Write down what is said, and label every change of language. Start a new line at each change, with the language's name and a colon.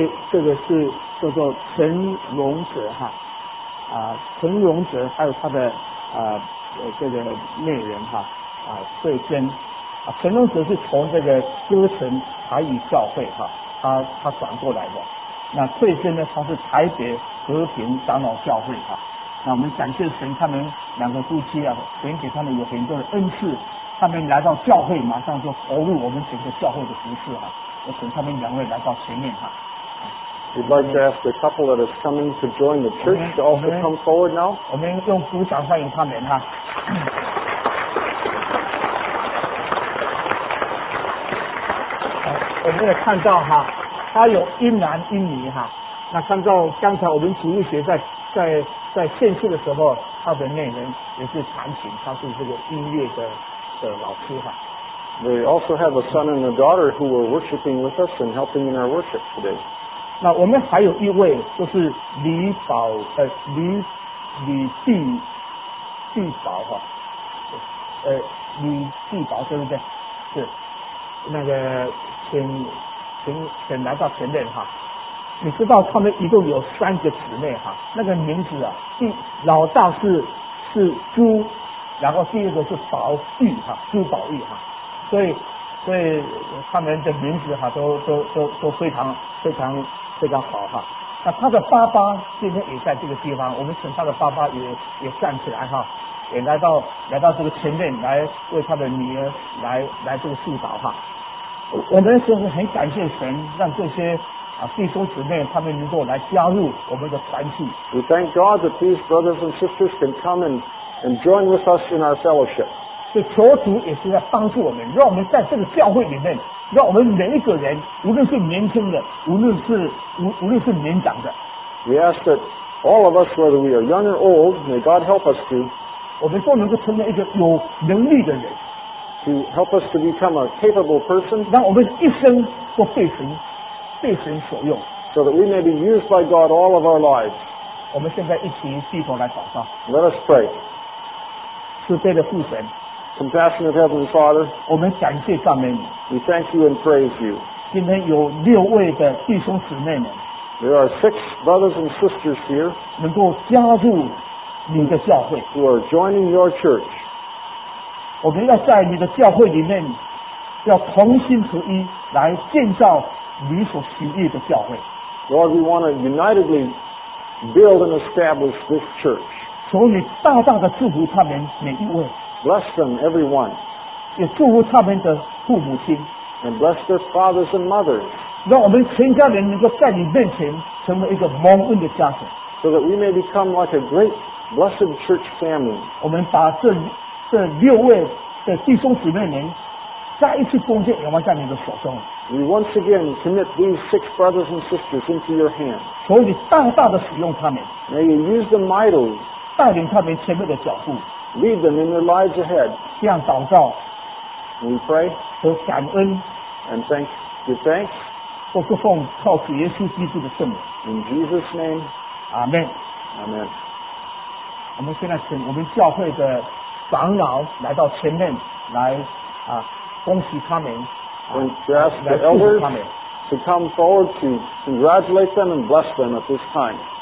Chinese: 这个是叫做陈荣泽哈。陈荣泽还有他的这个恋人哈慧娟啊，陈荣泽是从这个歌城台语教会哈他转过来的，那慧娟呢他是台北和平长老教会哈，那我们感谢神，他们两个夫妻啊，神给他们有很多的恩赐，他们来到教会马上就投入我们整个教会的服事哈，我请他们两位来到前面哈。
English: We'd like to ask the couple that is coming to join the church to also come forward now.
Chinese: 我们用鼓掌欢迎他们哈。我们也看到哈，他有一男一女哈。那看到刚才我们主日学在献祭的时候，他的恋人也是弹琴，他是这个音乐的老师哈。
English: They also have a son and a daughter who were worshiping with us and helping in our worship today.
Chinese: 那我们还有一位就是李宝李继继宝哈，李继宝对不对？是那个请来到前面哈。你知道他们一共有三个姊妹哈，那个名字啊，老大是朱，然后第二个是宝玉哈，朱宝玉哈，所以他们的名字哈都非常非常。非常好哈，那他的爸爸今天也在这个地方，我们请他的爸爸也站起来哈，也来到这个前面来为他的女儿来这个祝祷哈。我们真是很感谢神，让这些弟兄姊妹他们能够来加入我们的团契。
English: We thank God that these brothers and sisters can come and join with us in our fellowship.
Chinese: 这求主也是在帮助我们，让我们在这个教会里面。让我们每一个人，无论是年轻的，无论是年长的
English: ，We ask that all of us, whether we are young or old, may God help us to，
Chinese: 我们都能够成为一个有能力的人
English: ，to help us to become a capable person，
Chinese: 让我们一生都被神所用
English: ，so that we may be used by God all of our lives。
Chinese: 我们现在一起低头来祷告
English: ，Let us pray。
Chinese: 慈悲的父神。
English: Compassionate Heavenly Father,
Chinese: 我们感谢赞美你。
English: We thank you and praise you.
Chinese: 今天有六位的弟兄姊妹们。
English: There are six brothers and sisters here.
Chinese: 能够加入你的教会。
English: Who are joining your church.
Chinese: 我们要在你的教会里面，要同心合一来建造你所喜悦的教会。
English: Lord, we want to unitedly build and establish this church.
Chinese: 求你大大的祝福他们每一位。
English: Bless them, everyone.
Chinese: 也祝福他们的父母亲。
English: And bless their fathers and mothers.
Chinese: 让我们全家人能够在你面前成为一个蒙恩的家庭。
English: So that we may become like a great, blessed church family.
Chinese: 我们把这六位的弟兄姊妹们，再一次奉献仰望在你的手中。
English: We once again commit these six brothers and sisters into your hands.
Chinese: 所以你大大的使用他们。
English: May you use them mightily.
Chinese: 带领他们前面的脚步。
English: Lead them in their lives ahead.
Chinese: 这样祷告。
English: We pray.
Chinese: 和感恩。
English: And thank you. Thanks.
Chinese: 都是奉靠主耶稣基督的圣名。
English: In Jesus' name. Amen. Amen.
Chinese: 我们现在请我们教会的长老来到前面来啊。恭喜他们
English: We ask the elders to come forward to congratulate them and bless them at this time.